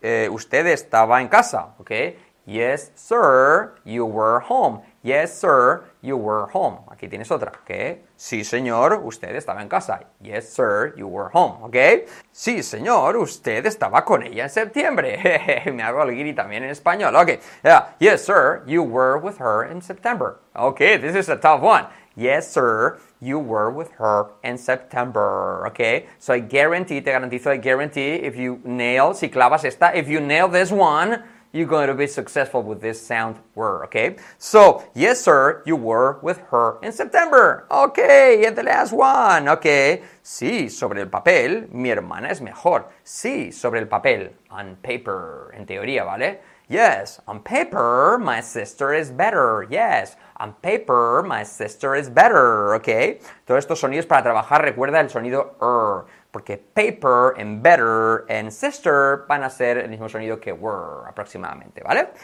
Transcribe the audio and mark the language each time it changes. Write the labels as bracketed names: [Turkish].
[Spanish] Usted estaba en casa, [English] okay? Yes, sir, you were home. Yes, sir, you were home. [Spanish] Aquí tienes otra, [English] ¿ok? [Spanish] Sí, señor, usted estaba en casa. [English] Yes, sir, you were home, [Spanish] ¿ok? Sí, señor, usted estaba con ella en septiembre. Me hago el guiri también en español, ¿ok? [English] Yeah. Yes, sir, you were with her in September. Ok, this is a tough one. Yes, sir, you were with her in September, ¿ok? So I guarantee, if you nail, [Spanish] si clavas esta, [English] if you nail this one, you're going to be successful with this sound were, okay? So, yes, sir, you were with her in September. Okay, and the last one, okay? [Spanish] Sí, sobre el papel, mi hermana es mejor. Sí, sobre el papel, [English] on paper, [Spanish] en teoría, ¿vale? [English] Yes, on paper, my sister is better. Yes, on paper, my sister is better, okay? [Spanish] Todos estos sonidos para trabajar, recuerda el sonido er. Porque paper and better and sister van a ser el mismo sonido que were aproximadamente, ¿vale?